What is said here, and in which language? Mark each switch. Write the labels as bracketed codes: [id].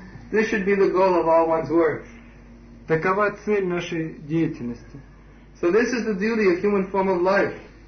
[en] This should be the goal of all one's work. [ru] Такова цель нашей деятельности. [en] So this is the duty of human form of life.